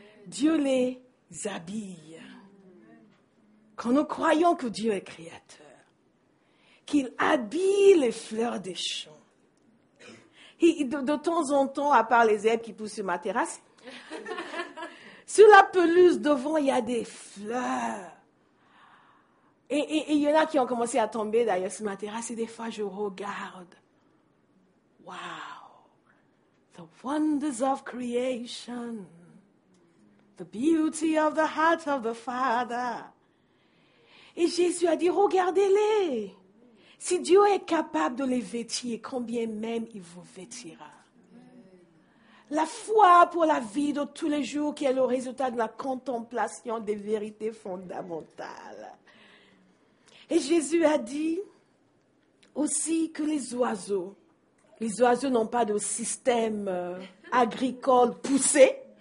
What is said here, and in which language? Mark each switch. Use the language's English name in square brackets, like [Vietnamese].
[French] Dieu les habille. Quand nous croyons que Dieu est créateur, qu'il habille les fleurs des champs. Et de temps en temps, à part les herbes qui poussent sur ma terrasse, sur la pelouse devant, il y a des fleurs. Et il y en a qui ont commencé à tomber d'ailleurs sur ma terrasse. Et des fois, je regarde. Wow! [English] The wonders of creation. The beauty of the heart of the Father. [French] Et Jésus a dit, regardez-les. Si Dieu est capable de les vêtir, combien même il vous vêtira. La foi pour la vie de tous les jours qui est le résultat de la contemplation des vérités fondamentales. Et Jésus a dit aussi que les oiseaux n'ont pas de système agricole poussé.